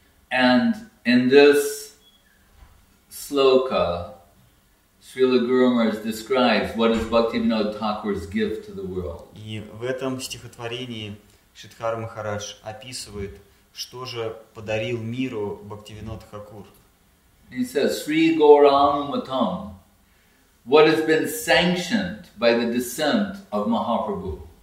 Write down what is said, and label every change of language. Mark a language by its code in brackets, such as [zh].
[en] And in this sloka, Srila Guru Maharaj describes what is Bhaktivinoda Thakur's gift to the world. [ru] И в этом стихотворении Шридхар Махарадж описывает, что же подарил миру Бхактивинод Хакур. [en] He says, Sri Gauranamatam, what has been sanctioned by the descent of Mahaprabhu?